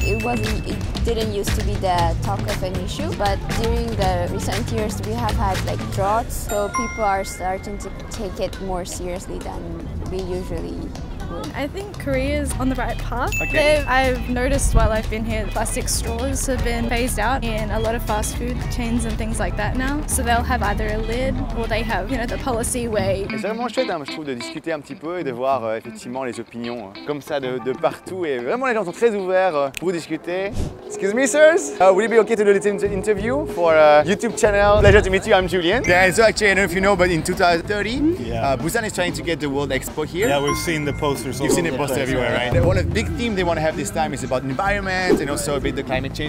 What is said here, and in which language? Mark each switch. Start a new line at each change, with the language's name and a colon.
English: It didn't used to be the talk of an issue, but during the recent years we have had like droughts, so people are starting to take it more seriously than we usually would. I think Korea is on the right path. Okay. I've noticed while I've been here, plastic straws have been phased out in a lot of fast food chains and things like that now. So they'll have either a lid or they have, you know, the policy way.
French: C'est vraiment chouette, hein, je trouve, de discuter un petit peu et de voir effectivement les opinions comme ça de partout, et vraiment les gens sont très ouverts pour discuter.
English: Excuse me sirs, would you be okay to do this interview for a YouTube channel? Pleasure to meet you, I'm Julian. Yeah, so actually I don't know if you know, but in 2030, Busan is trying to get the World Expo here. Yeah, we've seen the posters. You've seen the posters everywhere, right? Yeah. One of the big themes they want to have this time is about environment and also a bit the climate change.